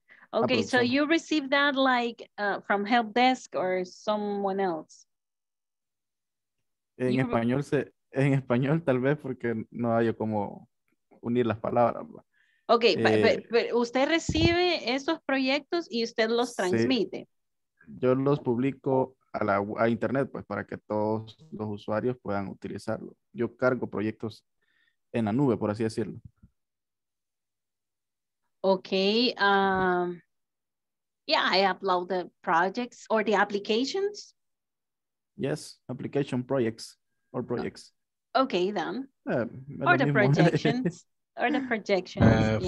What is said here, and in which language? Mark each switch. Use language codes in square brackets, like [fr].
[en] Okay, so you receive that like from help desk or someone else? [es] En español, en español tal vez porque no hay como unir las palabras. [en] Okay, [es] pero usted recibe esos proyectos y usted los transmite. Sí. Yo los publico a internet pues para que todos los usuarios puedan utilizarlo. Yo cargo proyectos en la nube, por así decirlo. [en] Okay, I upload the projects or the applications. Yes, application projects or projects. Okay, then. Or the projections. Or the projections.